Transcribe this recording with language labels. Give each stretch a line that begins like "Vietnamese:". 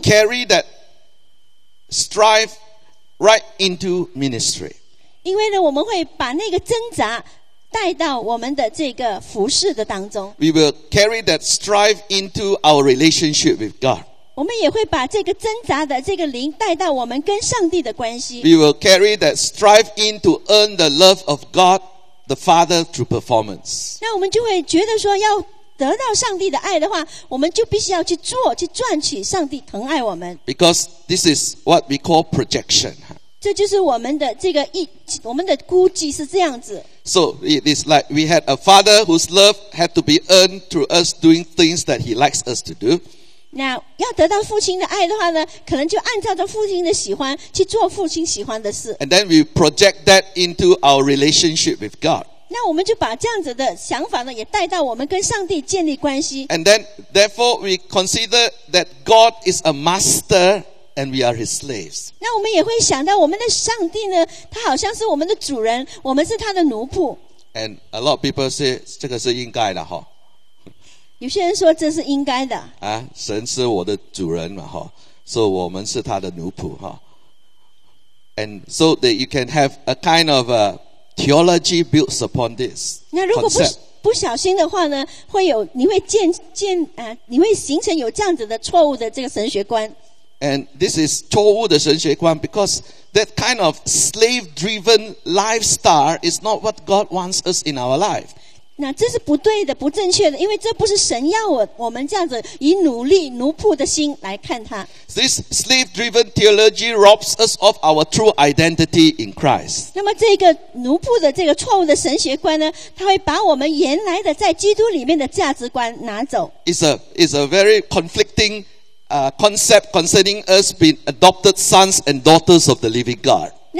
English: Because we will carry that strive right into ministry.
Chinese: 因为呢，我们会把那个挣扎带到我们的这个服事的当中。
English: We will carry that strive into our relationship with God.
Chinese: 我们也会把这个挣扎的这个灵带到我们跟上帝的关系。
English: We will carry that strive in to earn the love of God, the Father through performance.
Chinese: 那我们就会觉得说，要得到上帝的爱的话，我们就必须要去做，去赚取上帝疼爱我们。
English: Because this is what we call projection.
Chinese: 这就是我们的这个我们的估计是这样子。
English: So it is like we had a father whose love had to be earned through us doing things that he likes us to do.
Chinese: 那要得到父亲的爱的话呢，可能就按照着父亲的喜欢去做父亲喜欢的事。
English: And then we project that into our relationship with God.
Chinese: 那我们就把这样子的想法呢，也带到我们跟上帝建立关系。
English: And then, therefore, we consider that God is a master and we are his slaves.
Chinese: 那我们也会想到我们的上帝呢，他好像是我们的主人，我们是他的奴仆。
English: And a lot of people say,
Chinese: 这个是应该的哈。有些人说这是应该的啊，神是我的主人嘛，哈，所以我们是他的奴仆哈。
English: And so that you can have a kind of a theology built upon this concept.
Chinese: 不小心的话呢, 会有, 你会建, 啊, 你会形成有这样子的错误的这个神学观。
English: And this is
Chinese: 错误的神学观,
English: because that kind of slave-driven lifestyle is not what God wants us in our life.
Chinese: 那这是不对的, 不正确的, 因为这不是神要我, 我们这样子以努力奴仆的心来看他。
English: This slave-driven theology robs us of our true identity in Christ.
Chinese: 那么这个奴仆的这个错误的神学观呢, 它会把我们原来的在基督里面的价值观拿走。
English: It's a very conflicting concept concerning us being adopted sons and daughters of the living God.